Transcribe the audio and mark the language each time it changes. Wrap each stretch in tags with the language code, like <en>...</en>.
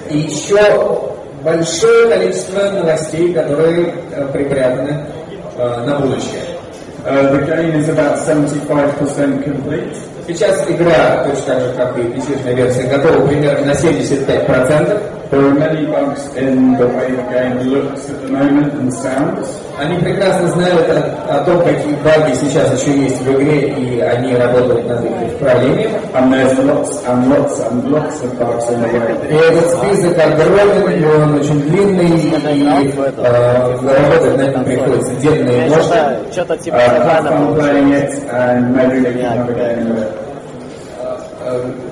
<ru>И еще большое количество новостей, которые припрятаны на будущее.</ru> <en>The game is about 75% complete.</en> <ru>Сейчас игра, точно так же, как и PC-шная версия, готова примерно на 75%.</ru> <en>There are many bugs in the way the game looks at the moment and sounds.</en> <ru>Они прекрасно знают о том, какие баги сейчас еще есть в игре, и они работают над их исправлением.</ru> <en>And there's lots and lots and lots of bugs in the way.</en> <ru>И этот список огромный, и он очень длинный, и работать на этом приходится денно и ночно.</ru> <en>Have fun playing it, and maybe we can have a game with it.</en>